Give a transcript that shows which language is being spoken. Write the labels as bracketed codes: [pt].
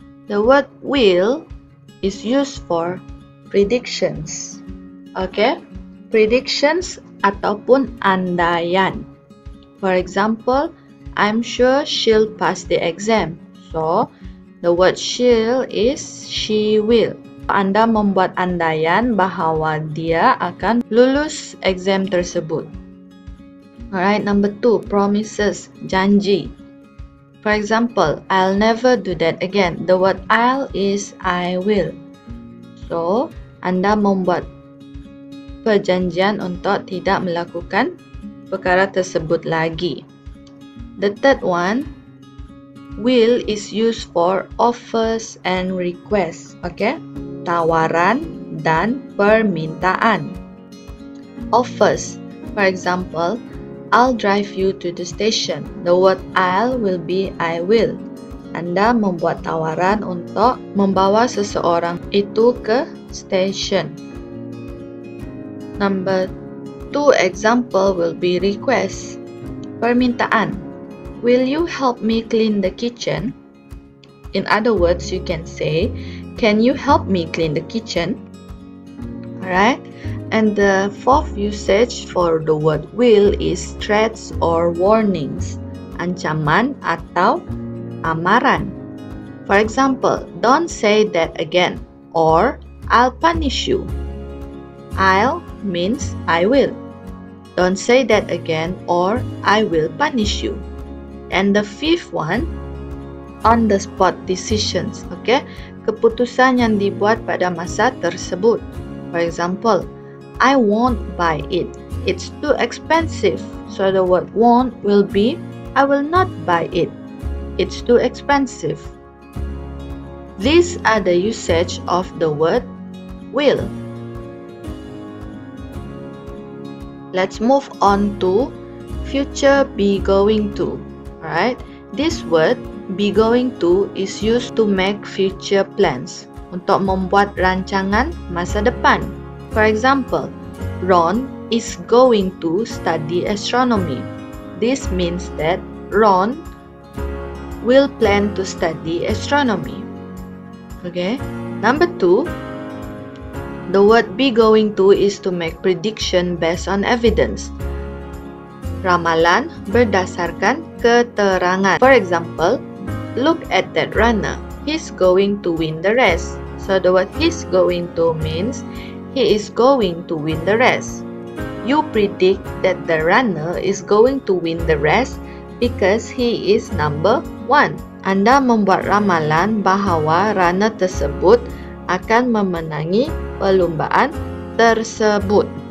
[en] The word will is used for predictions. Okay? [ms] Predictions ataupun andaian. [en] For example, I'm sure she'll pass the exam. So, the word she'll is she will. [ms] Anda membuat andaian bahwa dia akan lulus exam tersebut. [en] Alright, number two, promises, janji. For example, I'll never do that again. The word I'll is I will. So, [ms] anda membuat perjanjian untuk tidak melakukan perkara tersebut lagi. [en] The third one, will is used for offers and requests. Okay? [ms] Tawaran dan permintaan. Offers. [en] For example, I'll drive you to the station. The word I'll will be I will. [ms] Anda membuat tawaran untuk membawa seseorang itu ke station. [en] Number two example will be request. Permintaan. Will you help me clean the kitchen? In other words, you can say, can you help me clean the kitchen? Alright. And the fourth usage for the word will is threats or warnings. [ms] Ancaman atau amaran. [en] For example, don't say that again or I'll punish you. I'll means I will. Don't say that again or I will punish you. And the fifth one, on the spot decisions, okay? [ms] Keputusan yang dibuat pada masa tersebut. [en] For example, I won't buy it. It's too expensive. So the word won't will be I will not buy it. It's too expensive. These are the usage of the word will. Let's move on to future be going to. Alright, this word be going to is used to make future plans. [ms] Untuk membuat rancangan masa depan. [en] For example, Ron is going to study astronomy. This means that Ron will plan to study astronomy. Okay, number two. The word be going to is to make prediction based on evidence. [ms] Ramalan berdasarkan keterangan. [en] For example, look at that runner. He's going to win the race. So the word he's going to means he is going to win the race. You predict that the runner is going to win the race because he is number one. [ms] Anda membuat ramalan bahwa runner tersebut akan memenangi perlumbaan tersebut.